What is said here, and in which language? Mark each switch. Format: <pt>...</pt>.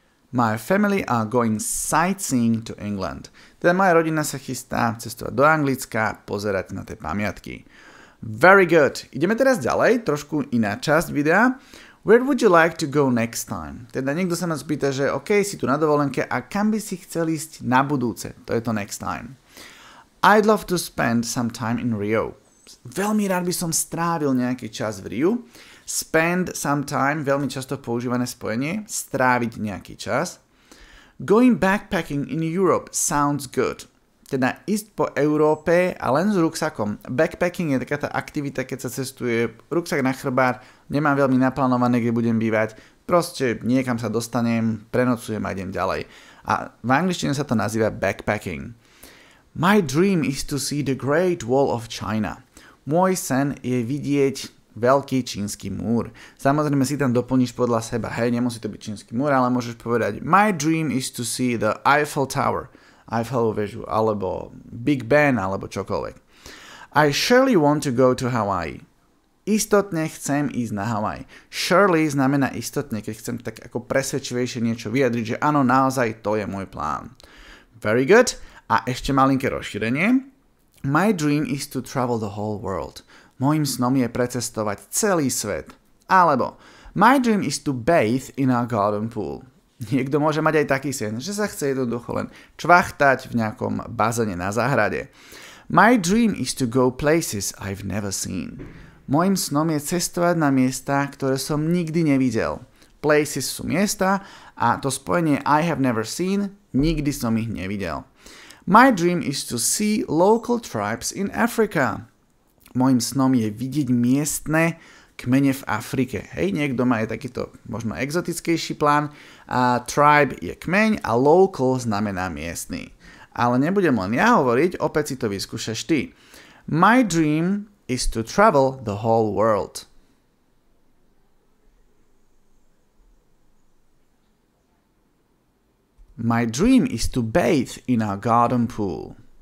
<en>My family are going sightseeing to England.</en> <sk>Teda moja rodina sa chystá cestovať do Anglicka, pozerať na tie pamiatky.</sk> <en>Very good.</en> <sk>Ideme teraz ďalej, trošku iná časť videa.</sk> <en>Where would you like to go next time?</en> <sk>Teda niekto sa nás pýta, že OK, si tu na dovolenke a kam by si chcel ísť na budúce? To je to</sk> <en>next time. I'd love to spend some time in Rio.</en> <sk>Veľmi rád by som strávil nejaký čas v Riu.</sk> <en>Spend some time,</en> <sk>veľmi často používané spojenie, stráviť nejaký čas.</sk> <en>Going backpacking in Europe sounds good.</en> <sk>Teda ísť po Európe a len s ruksakom. Backpacking je taká tá aktivita, keď sa cestuje, ruksak na chrbát, nemám veľmi naplánované, kde budem bývať, proste niekam sa dostanem, prenocujem a idem ďalej. A v angličtine sa to nazýva backpacking.</sk> <en>My dream is to see the Great Wall of China.</en> <sk>Môj sen je vidieť veľký čínsky múr. Samozrejme si tam doplníš podľa seba, hej, nemusí to byť čínsky múr, ale môžeš povedať</sk> <en>my dream is to see the Eiffel Tower.</en> <sk>Eiffelovú väžu, alebo Big Ben, alebo čokoľvek.</sk> <en>I surely want to go to Hawaii.</en> <sk>Istotne chcem ísť na Hawaii. Surely znamená istotne, keď chcem tak ako presvedčivejšie niečo vyjadriť, že áno, naozaj to je môj plán.</sk> <en>Very good.</en> <sk>A ešte malinké rozšírenie.</sk> <en>My dream is to travel the whole world.</en> <sk>Mojím snom je precestovať celý svet. Alebo</sk> <en>my dream is to bathe in a garden pool.</en> <sk>Niekto môže mať aj taký sen, že sa chce jednoducho len čvachtať v nejakom bazene na záhrade.</sk> <en>My dream is to go places I've never seen.</en> <sk>Mojím snom je cestovať na miesta, ktoré som nikdy nevidel. Places sú miesta a to spojenie</sk> <en>I have never seen,</en> <sk>nikdy som ich nevidel.</sk> <en>My dream is to see local tribes in Africa.</en> <sk>Mojím snom je vidieť miestne kmene v Afrike. Hej, niekto má aj takýto možno exotickejší plán. A tribe je kmeň a local znamená miestny. Ale nebudem len ja hovoriť, opäť si to vyskúšaš ty.</sk> <en>My dream is to travel the whole world. My dream is to bathe in our garden pool.</en>